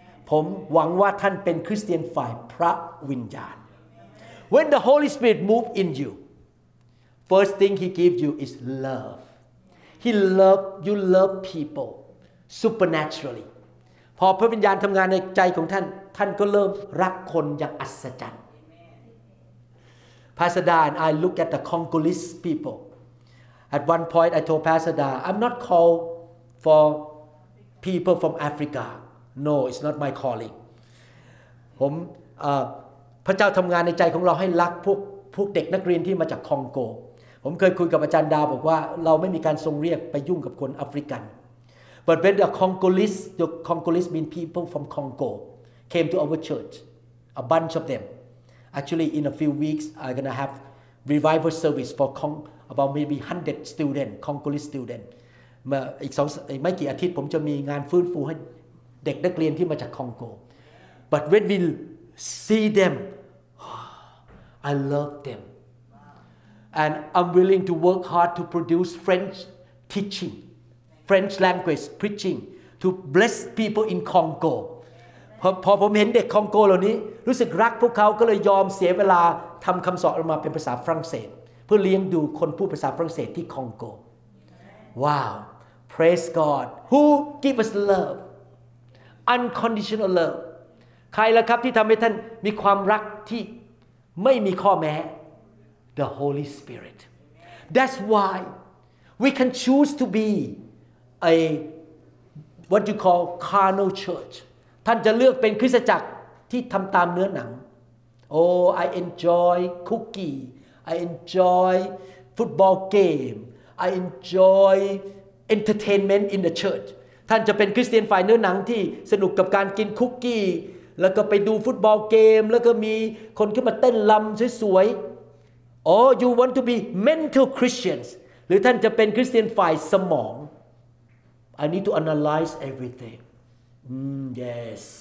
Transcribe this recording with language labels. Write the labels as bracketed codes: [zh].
[th] ผมหวังว่าท่านเป็นคริสเตียนฝ่ายพระวิญญาณ [en] When the Holy Spirit move in youFirst thing he gives you is love. He loves you love people supernaturally. [th] พอพระวิญญาณทำงานในใจของท่านท่านก็เริ่มรักคนอย่างอัศจรรย์ [en] Pastor Dan, I look at the Congolese people. At one point I told Pastor Dan, I'm not called for people from Africa. No, it's not my calling. [th] ผมพระเจ้าทำงานในใจของเราให้รักพวกเด็กนักเรียนที่มาจากคองโกผมเคยคุยกับอาจารย์ดาบอกว่าเราไม่มีการทรงเรียกไปยุ่งกับคนแอฟริกัน [en] But when the Congolese, the Congolese mean people from Congo came to our church, a bunch of them. Actually, in a few weeks, I'm going to have revival service for about maybe 100 students, Congolese students. [th] อีกไม่กี่อาทิตย์ผมจะมีงานฟื้นฟูให้เด็กนักเรียนที่มาจากคองโก [en] But when we see them, I love them. And I'm willing to work hard to produce French teaching, French language preaching to bless people in Congo. [th] พอผมเห็นเด็กคองโกเหล่านี้รู้สึกรักพวกเขาก็เลยยอมเสียเวลาทำคำสอนออกมาเป็นภาษาฝรั่งเศสเพื่อเลี้ยงดูคนพูดภาษาฝรั่งเศสที่คองโก [en] Wow, praise God. Who give us love? Unconditional love. [th] ใครล่ะครับที่ทำให้ท่านมีความรักที่ไม่มีข้อแม้ [en] The Holy Spirit. That's why we can choose to be a what you call carnal church. [th] ท่านจะเลือกเป็นคริสตจักรที่ทำตามเนื้อหนัง [en] Oh, I enjoy cookie. I enjoy football game. I enjoy entertainment in the church. [th] ท่านจะเป็นคริสเตียนฝ่ายเนื้อหนังที่สนุกกับการกินคุกกี้แล้วก็ไปดูฟุตบอลเกมแล้วก็มีคนขึ้นมาเต้นรำสวย [en] Or you want to be mental Christians. [th] หรือท่านจะเป็นคริสเตียนฝ่ายสมอง [en] I need to analyze everything. Yes.